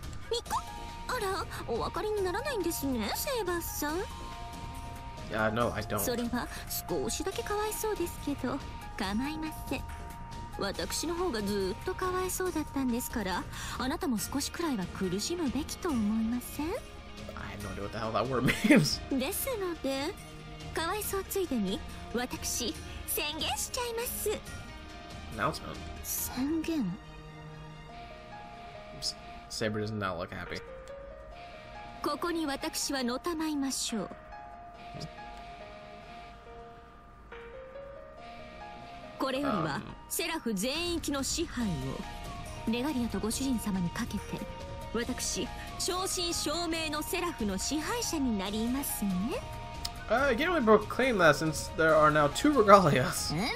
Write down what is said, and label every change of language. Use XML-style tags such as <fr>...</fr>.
<ja>ミコ、あら、お分かりにならないんですね、セーバスさん。</ja> <en>Yeah, no, I don't.</en> <ja>それは少しだけかわいそうですけど、構いません。私の方がずっとかわいそうだったんですから、あなたも少しくらいは苦しむべきと思いません。</ja> <en>I don't know what the hell that word means.</en> <ja>ですので。かわいそうついでに、私、宣言しちゃいます。</ja> <en>Announcement?</en> <ja>宣言。</ja> <en>Saber does not look happy.</en> <ja>ここに私はのたまいましょう。これよりは、セラフ全域の支配を、レガリアとご主人様にかけて、私、正真正銘のセラフの支配者になりますね。</ja> <en>I can only proclaim that since there are now two regalias.</en>